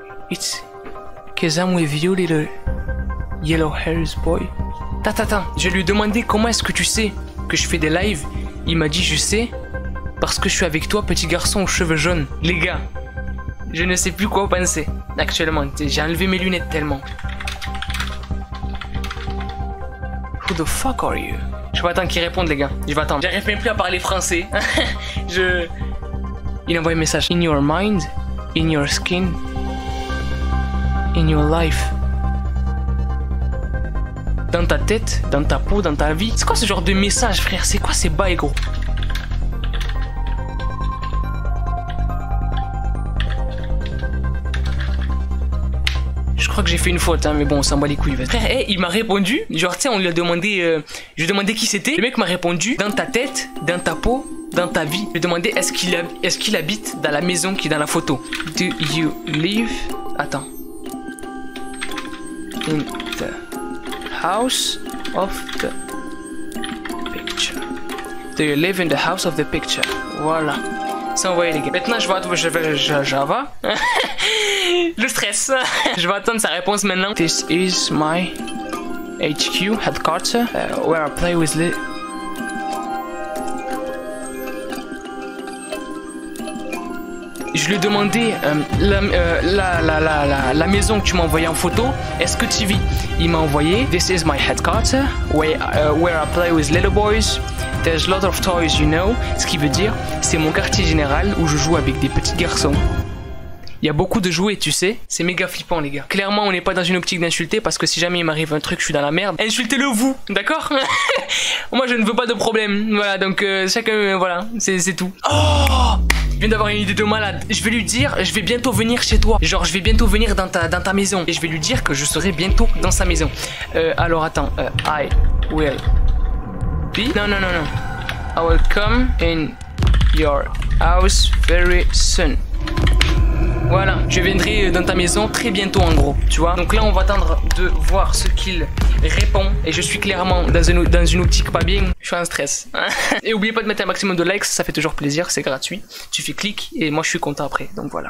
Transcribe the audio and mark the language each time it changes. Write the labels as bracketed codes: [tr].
[en] It's 'cause I'm with you, little yellow hairs boy. [fr] Attends. Je lui ai demandé comment est-ce que tu sais que je fais des lives. Il m'a dit je sais parce que je suis avec toi, petit garçon aux cheveux jaunes. Les gars, je ne sais plus quoi penser actuellement. J'ai enlevé mes lunettes tellement. [en] Who the fuck are you? [fr] Je vais attendre qu'il réponde, les gars. Je vais attendre. J'arrive même plus à parler français. Il envoie un message. [en] In your mind, in your skin, in your life. [fr] Dans ta tête, dans ta peau, dans ta vie. C'est quoi ce genre de message, frère? C'est quoi ces bails, gros? Je crois que j'ai fait une faute, hein, mais bon, on s'en bat les couilles. Frère, hey, il m'a répondu. Genre, tu sais, on lui a demandé... je lui ai demandé qui c'était. Le mec m'a répondu. Dans ta tête, dans ta peau, dans ta vie. Je lui ai demandé est-ce qu'il habite dans la maison qui est dans la photo. [en] Do you live... [fr] Attends. [en] In the... House of the picture. Do you live in the house of the picture? [fr] Voilà. C'est envoyé les gars. Maintenant je vais le stress. Je vais attendre sa réponse maintenant. [en] This is my HQ headquarters where I play with Lee. Je lui ai demandé la maison que tu m'as envoyée en photo. Est-ce que tu vis? Il m'a envoyé. This is my headquarters where I play with little boys. There's a lot of toys, you know. [fr] Ce qui veut dire, c'est mon quartier général où je joue avec des petits garçons. Il y a beaucoup de jouets, tu sais. C'est méga flippant, les gars. Clairement, on n'est pas dans une optique d'insulter parce que si jamais il m'arrive un truc, je suis dans la merde. Insultez-le vous, d'accord? Moi, je ne veux pas de problème. Voilà, donc chacun, voilà, c'est tout. Oh! Je viens d'avoir une idée de malade. Je vais lui dire, je vais bientôt venir chez toi. Genre, je vais bientôt venir dans ta maison. Et je vais lui dire que je serai bientôt dans sa maison. Alors, attends. [en] I will be... [fr] Non. [en] I will come in your house very soon. [fr] Voilà, je viendrai dans ta maison très bientôt en gros, tu vois. Donc là on va attendre de voir ce qu'il répond. Et je suis clairement dans une optique pas bien. Je suis en stress. Et oubliez pas de mettre un maximum de likes, ça fait toujours plaisir, c'est gratuit. Tu fais clic et moi je suis content après, donc voilà.